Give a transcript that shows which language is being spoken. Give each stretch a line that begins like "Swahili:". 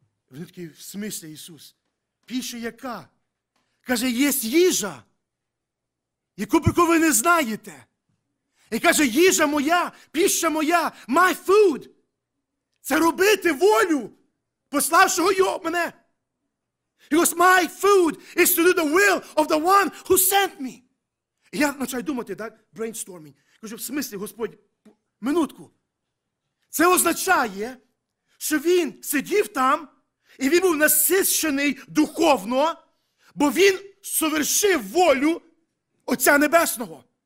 Ukrainian: Він такий, в смислі, Ісус, піща яка? Каже, є їжа, яку ви не знаєте. І каже, їжа моя, піща моя,
English: my food.
Ukrainian: Це робити волю пославшого його мене.
English: He goes, my food is to do the will of the one who sent me.
Ukrainian: І я починаю думати, так, brainstorming. Кажу, в смислі, Господь, минутку. Це означає, що він сидів там, і він був насичений духовно, бо він совершив волю Отця Небесного.